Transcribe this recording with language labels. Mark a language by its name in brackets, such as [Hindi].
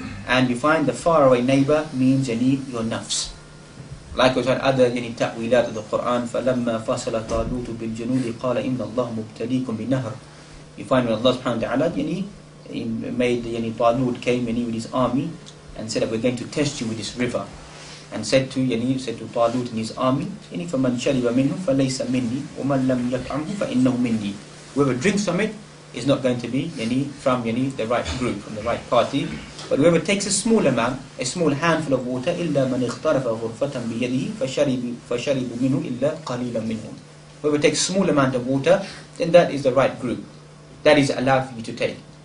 [English] And you find the faraway neighbor means يعني, your nafs. Likewise, on other يعني, ta'wilat of the Quran, [Arabic] فَلَمَّا فَصَلَ طَالُوتُ بِالْجُنُودِ قَالَ إِنَّ اللَّهُ مُبْتَلِيكُمْ بِنَهْرٍ. [English] You find when Allah subhanahu wa ta'ala يعني, made يعني, Talut came يعني, with his army and said that we're going to test you with this river. And said to يعني, said to Talut and his army, [Arabic] يعني, فَمَنْ شَرِبَ مِنْهُ فَلَيْسَ مِنِّي وَمَنْ لَمْ يَطْعَمْهُ فَإِنَّهُ مِنِّي. [English] Whoever drinks from it is not going to be يعني, from يعني, the right group, from the right party. But whoever takes a small amount, a small handful of water, [Arabic] إِلَّا مَنْ اِخْتَرَفَ غُرْفَةً بِيَدِهِ فَشَرِبُ مِنْهُ إِلَّا قَلِيلًا مِنْهُمْ. [English] Whoever takes a small amount of water, then that is the right group. That is allowed for you to take.